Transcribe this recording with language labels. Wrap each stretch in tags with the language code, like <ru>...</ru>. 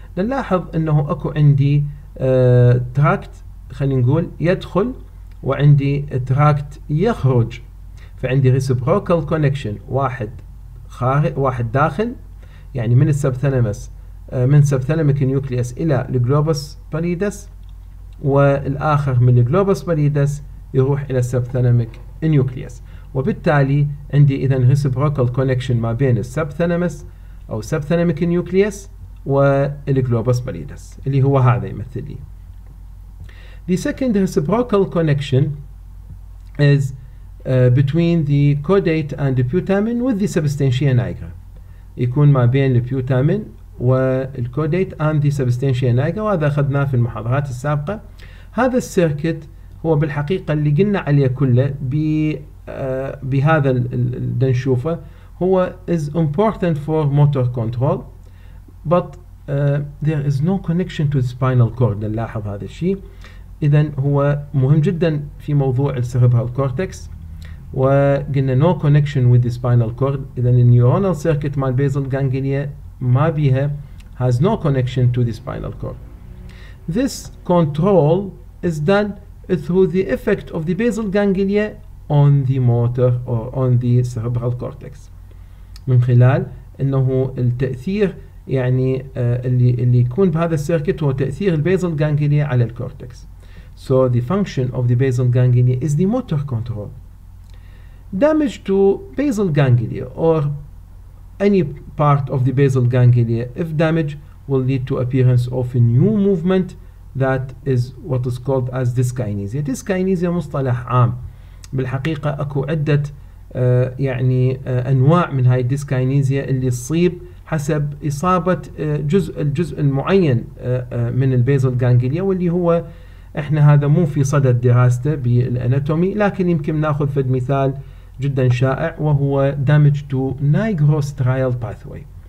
<ar>نلاحظ انه اكو عندي تراكت خلينا نقول يدخل وعندي تراكت يخرج، فعندي ريسبروكال كونكشن، واحد خارج واحد داخل، يعني من السبثلامس من سبثلاميك نيوكليس الى الجلوبوس باليدس، والاخر من الجلوبوس باليدس يروح الى السبثلاميك نيوكليس. وبالتالي عندي إذن reciprocal connection ما بين السبثلامس أو سبثلاميك نيوكليس والجلوبوس باليدس اللي هو هذا يمثل لي.</ar> <en>The second reciprocal connection is between the caudate and the putamen with the substantia nigra.</en> <ar>يكون ما بين البيوتامين وال</ar> <en>caudate and the substantia nigra،</en> <ar>وهذا أخذناه في المحاضرات السابقة. هذا السيركت هو بالحقيقة اللي قلنا عليه كله بهذا اللي نشوفه، هو</ar> <en>is important for motor control but there is no connection to the spinal cord.</en> <ar>نلاحظ هذا الشيء، اذا هو مهم جدا في موضوع السيريبرال كورتكس، وقلنا</ar> <en>no connection with the spinal cord.</en> <ar>اذا النيورونال سيركت مال بيزل جانجليا ما بيها</ar> <en>has no connection to the spinal cord. This control is done through the effect of the basal ganglia on the motor or on the cerebral cortex،</en> <ar>من خلال انه التاثير يعني اللي يكون بهذا السيركت هو تاثير البيزل جانجليا على الكورتكس.</ar> <en>So the function of the basal ganglia is the motor control. Damage to basal ganglia or any part of the basal ganglia if damaged will lead to appearance of a new movement that is what is called as dyskinesia.</en> <ar>Dyskinesia مصطلح عام، بالحقيقة أكو عدة يعني أنواع من هاي الديسكاينيزيا اللي تصيب حسب إصابة الجزء المعين من البيزل جانجليا، واللي هو إحنا هذا مو في صدد دراسته بالأناتومي، لكن يمكن نأخذ فد مثال جدا شائع وهو</ar> <en>damage to nigrostriel pathway.</en>